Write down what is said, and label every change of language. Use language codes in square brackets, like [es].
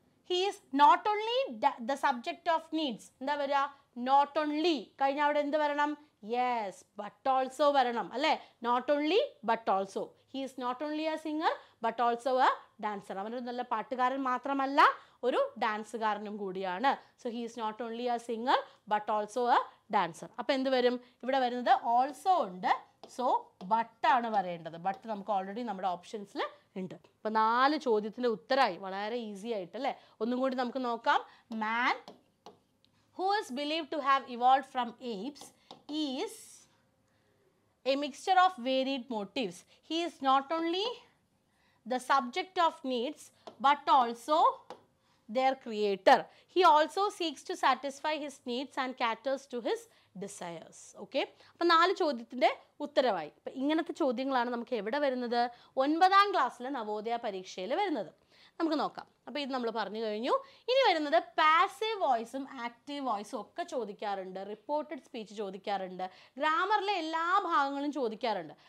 [en] He is not only the subject of needs. [ml] എന്താ വരിക, not only കഴിഞ്ഞ അവിടെ എന്ത് വരണം? [en] Yes, but also [ml] വരണം അല്ലേ. [en] Not only but also. He is not only a singer but also a dancer. [ml] അവനൊരു നല്ല പാട്ടുകാരൻ മാത്രമല്ല ഒരു ഡാൻസുകാരനും കൂടിയാണ്. [en] So he is not only a singer but also a dancer. [ml] അപ്പോൾ എന്ത് വരും ഇവിടെ വരുന്നത്? ഓൾസോ ഉണ്ട്, സോ ബട്ട് ആണ് വരേണ്ടത്. ബട്ട് നമുക്ക് ഓൾറെഡി നമ്മുടെ ഓപ്ഷൻസിൽ ഉണ്ട്. അപ്പോൾ നാല് ചോദ്യത്തിൻ്റെ ഉത്തരമായി, വളരെ ഈസി ആയിട്ട് അല്ലേ. ഒന്നും കൂടി നമുക്ക് നോക്കാം. [en] Man who is believe to have evolve from apes is a mixture of varied motives. He is not only the subject of needs but also their creator. He also seeks to satisfy his needs and caters to his desires. [ml] Okay? അപ്പം നാല് ചോദ്യത്തിൻ്റെ ഉത്തരവായി. അപ്പം ഇങ്ങനത്തെ ചോദ്യങ്ങളാണ് നമുക്ക് എവിടെ വരുന്നത്? ഒൻപതാം ക്ലാസ്സിലെ നവോദയ പരീക്ഷയിൽ വരുന്നത്. നമുക്ക് നോക്കാം. അപ്പോൾ ഇത് നമ്മൾ പറഞ്ഞു കഴിഞ്ഞു. ഇനി വരുന്നത് പാസീവ് വോയിസും ആക്റ്റീവ് വോയിസും ഒക്കെ ചോദിക്കാറുണ്ട്, റിപ്പോർട്ടഡ് സ്പീച്ച് ചോദിക്കാറുണ്ട്, ഗ്രാമറിലെ എല്ലാ ഭാഗങ്ങളും ചോദിക്കാറുണ്ട്.